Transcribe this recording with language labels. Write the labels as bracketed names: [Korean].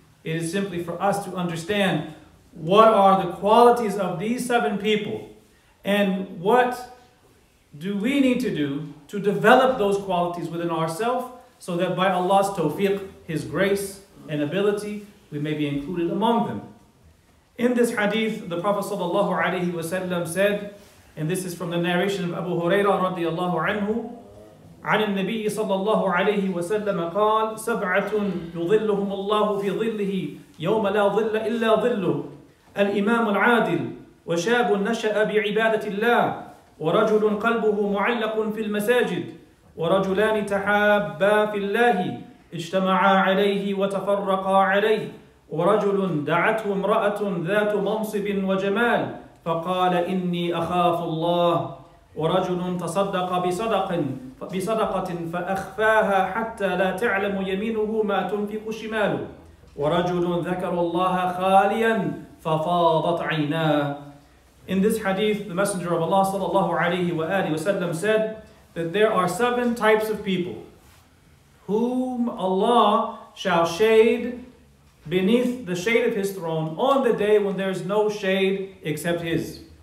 [English] It is simply for us to understand what are the qualities of these seven people and what do we need to do to develop those qualities within ourselves so that by Allah's tawfiq, His grace and ability, we may be included among them. In this hadith, the Prophet sallallahu alayhi wa sallam said, and this is from the narration of Abu Hurairah radiallahu anhu, [Arabic] عن النبي صلى الله عليه وسلم قال سبعة يظلهم الله في ظله يوم لا ظل إلا ظله الإمام العادل وشاب نشأ بعبادة الله ورجل قلبه معلق في المساجد ورجلان تحابا في الله اجتمعا عليه وتفرقا عليه، ورجل دعته امرأة ذات منصب وجمال فقال إني أخاف الله، ورجل تصدق بصدقة فأخفاها حتى لا تعلم يمينه ما تنفق شماله، ورجل ذكر الله خاليا ففاضت عيناه. [English] In this hadith, the Messenger of Allah sallallahu alayhi wa alihi wa sallam said that there are seven types of people whom Allah shall shade beneath the shade of His throne on the day when there is no shade except His.